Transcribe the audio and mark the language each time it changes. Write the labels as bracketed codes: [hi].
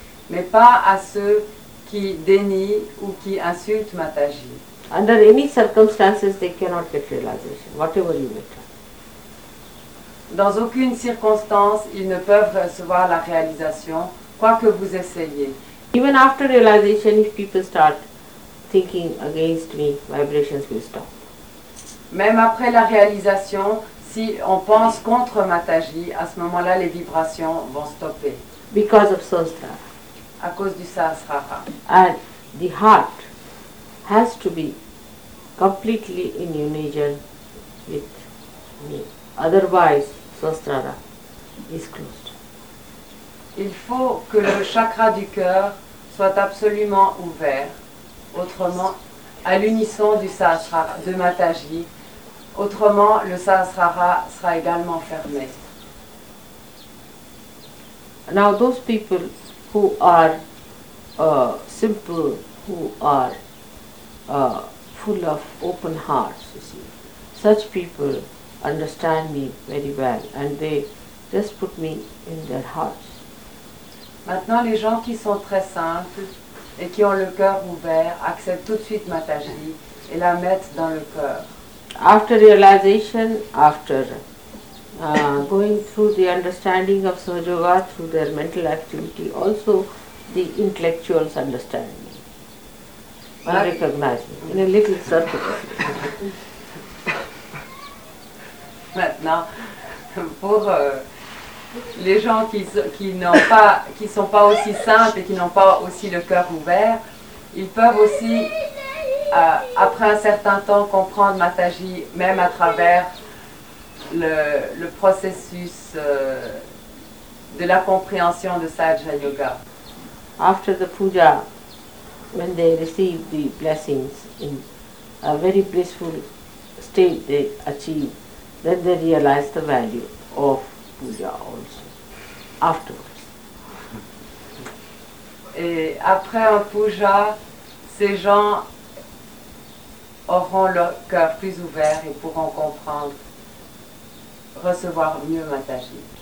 [fr] Mais pas à ceux qui dénie ou qui insulte Mataji. [en] Under any circumstances, they cannot get realization, whatever you may tell. [fr] Dans aucune circonstance, ils ne peuvent recevoir la réalisation, quoi que vous essayiez. [en] Even after realization, if people start thinking against me, vibrations will stop. [fr] Même après la réalisation, si on pense contre Mataji, à ce moment-là, les vibrations vont stopper. [en] Because of Sahasrara. [fr] À cause du Sahasrara. [en] And the heart has to be completely in union with me. Otherwise, Sahasrara is closed. [fr] Il faut que le chakra du cœur soit absolument ouvert, autrement, à l'unisson du Sahasrara, de Mataji. Autrement, le Sahasrara sera également fermé. [en] Now, those people who are simple, who are full of open hearts, you see. Such people understand me very well and they just put me in their hearts. [fr] Maintenant, les gens qui sont très simples et qui ont le cœur ouvert acceptent tout de suite Mataji et la mettent dans le cœur. [en] After realization, after going through the understanding of Sahajoga through their mental activity, also the intellectuals understand me. They recognize me in a little circle. [fr] Maintenant, pour les gens qui sont pas aussi simples et qui n'ont pas aussi le cœur ouvert, ils peuvent aussi, après un certain temps, comprendre Mataji, même à travers le processus de la compréhension de Sahaja Yoga. [en] After the puja, when they receive the blessings in a very blissful state they achieve, then they realize the value of puja also, afterwards. [fr] Et après un puja, ces gens auront leur cœur plus ouvert et pourront comprendre, recevoir mieux Mataji.